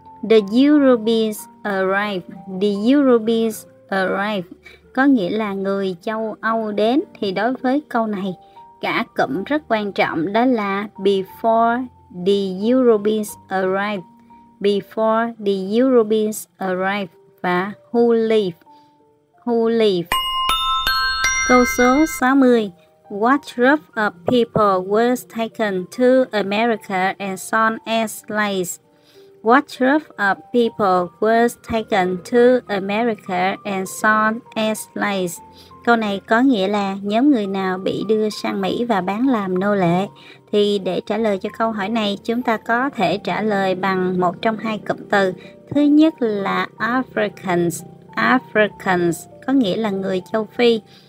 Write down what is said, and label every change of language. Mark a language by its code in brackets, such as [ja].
[en] The Europeans arrived, the Europeans arrived, [vi] có nghĩa là người châu Âu đến. Thì đối với câu này, cả cụm rất quan trọng đó là [en] before the Europeans arrived, [vi] before the Europeans arrived và [en] who live. Who live? [vi] Câu số 60. [en] What group of people was taken to America and sold as slaves? What group of people was taken to America and sold as slaves? [vi] Câu này có nghĩa là nhóm người nào bị đưa sang Mỹ và bán làm nô lệ? Thì để trả lời cho câu hỏi này, chúng ta có thể trả lời bằng một trong hai cụm từ. Thứ nhất là Africans. Africans có nghĩa là người châu Phi.